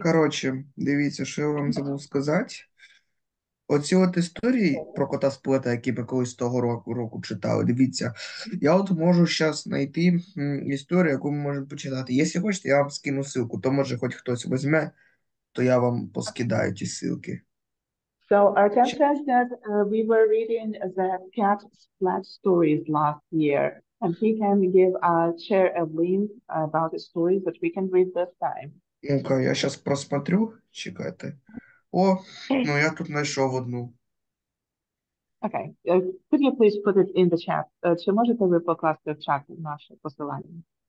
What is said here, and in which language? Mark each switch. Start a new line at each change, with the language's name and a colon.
Ukrainian: Коротше, дивіться, що я вам забув сказати. Оці от історії про кота з плета, які ми колись того року читали, дивіться. Я от можу зараз знайти історію, яку ми можемо почитати. Якщо хочете, я вам скину ссылку, то може хоч хтось візьме, то я вам поскидаю ті ссылки.
English: So, Artem says that we were reading the cat splat stories last year, and he can give share a link about the stories that we can read this time.
Ukrainian: Ну-ка, я зараз просмотрю, чекайте. О, ну я тут знайшов одну.
English: Okay, could you please put it in the chat?
Ukrainian: Чи можете ви покласти в чат наше посилання?